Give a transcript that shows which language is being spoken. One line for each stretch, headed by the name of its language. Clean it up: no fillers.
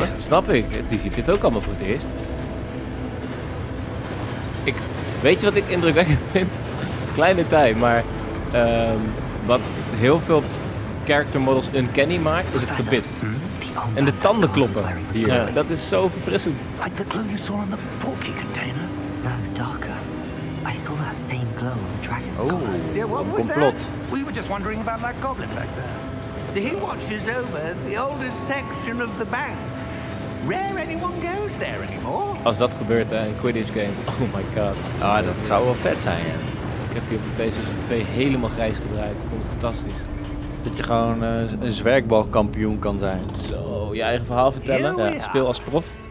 Dutch: Ja, dat snap ik. Die ziet dit ook allemaal voor het eerst. Weet je wat ik indrukwekkend vind? Kleine tijd, maar... wat heel veel character models uncanny maakt, is het gebit. En de tanden kloppen hier. Ja, dat is zo verfrissend.
English: Like the glow you saw on the porky container. No, darker. I saw that same glow on the dragon's collar.
Dutch: Oh, een complot.
English: We were just wondering about that goblin back there. He watches over the oldest section of the bank. Rare anyone goes there anymore.
Dutch: Als dat gebeurt, hè, een Quidditch game.
English: Oh my god.
Dutch: Ah, dat zou wel vet zijn, hè. Ik heb die op de PlayStation 2 helemaal grijs gedraaid. Vond ik fantastisch. Dat je gewoon een zwerkbalkampioen kan zijn. Zo, je eigen verhaal vertellen. Ja. Speel als prof.